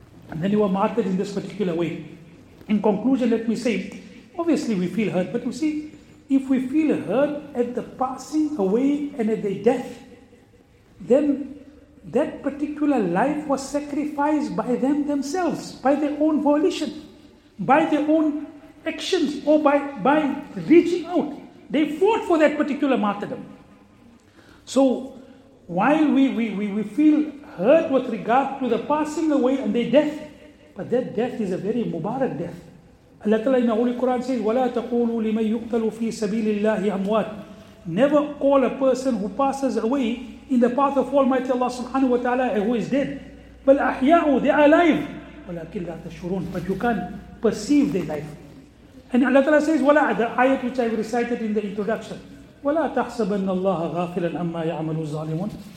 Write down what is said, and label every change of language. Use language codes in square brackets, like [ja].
[en] And then you were martyred in this particular way. In conclusion, let me say, obviously we feel hurt, but you see, if we feel hurt at the passing away and at their death, then that particular life was sacrificed by them themselves, by their own volition, by their own actions, or by reaching out. They fought for that particular martyrdom. So while we feel hurt with regard to the passing away and their death, but that death is a very Mubarak death. Allah Ta'ala in the Holy Quran says, [ar] وَلَا تَقُولُوا لِمَنْ يُقْتَلُوا فِي سَبِيلِ اللَّهِ أَمْوَاتٍ. [en] Never call a person who passes away in the path of Almighty Allah subhanahu wa ta'ala who is dead. [ar] بَلْ أَحْيَاءُ, [en] they are alive. [ar] وَلَكِنْ لَا تَشْعُرُونَ, [en] but you can't perceive their life. And Allah Ta'ala says, وَلَا, the ayat which I recited in the introduction, [ar] وَلَا تَحْسَبَنَّ اللَّهَ غَافِلًا أَمَّا يَعْمَلُ الظَّالِمُونَ.